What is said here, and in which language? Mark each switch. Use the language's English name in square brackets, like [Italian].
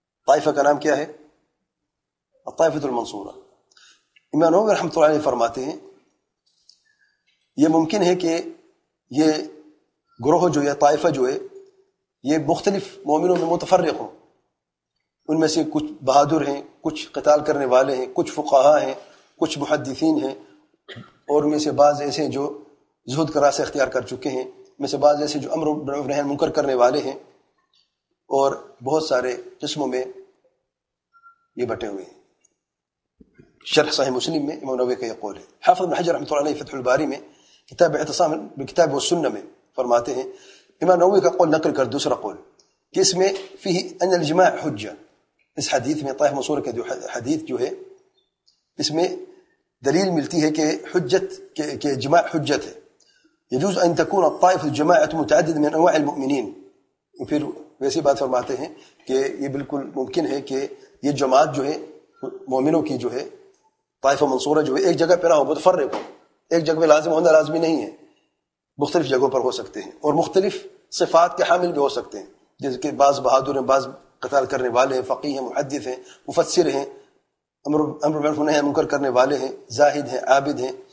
[Arabic] طائفة كلام [Urdu] کیا ہے؟ [Arabic] الطائفة المنصورة. [Urdu] امام نووی رحمۃ اللہ علیہ فرماتے ہیں، یہ ممکن ہے کہ یہ گروہ جو ہے، طائفہ جو ہے، یہ مختلف مومنوں میں متفرق ہوں، ان میں سے کچھ بہادر ہیں، کچھ قتال کرنے والے ہیں، کچھ فقہا ہیں، کچھ محدثین ہیں، اور میں سے بعض ایسے ہیں جو زہد کا راستہ اختیار کر چکے ہیں، میں سے بعض ایسے جو امر بالمعروف نہی عن المنکر کرنے والے ہیں، اور بہت سارے قسموں میں یہ بٹے ہوئے ہیں. شرح صحیح مسلم میں امام نووی کا یہ قول ہے. حافظ ابن حجر رحمۃ اللہ علیہ فتح الباری میں کتاب اعتصام بالکتاب والسنہ میں فرماتے ہیں، امام نووی کا قول نقل کر دوسرا قول، کہ اس میں [Arabic] فیہ ان الاجماع حجہ، [Urdu] اس حدیث میں، طائفہ منصورہ کا حدیث جو ہے، اس میں دلیل ملتی ہے کہ حجت کہ اجماع حجت ہے. [Arabic] یجوز ان تکون الطائفۃ جماعۃ متعددۃ من انواع المؤمنین. [Urdu] پھر ویسی بات فرماتے ہیں کہ یہ بالکل ممکن ہے کہ یہ جماعت جو ہے مومنوں کی جو ہے، طائفہ منصورہ جو ہے، ایک جگہ پہ نہ ہو، متفرق ہو، ایک جگہ پہ لازم ہونا لازمی نہیں ہے، مختلف جگہوں پر ہو سکتے ہیں اور مختلف صفات کے حامل بھی ہو سکتے ہیں، جیسے کہ بعض بہادر ہیں، بعض قتال کرنے والے ہیں، فقیہ ہیں، محدث ہیں، مفسر ہیں، امر بالمعروف نہی عن المنکر کرنے والے ہیں، زاہد ہیں، عابد ہیں.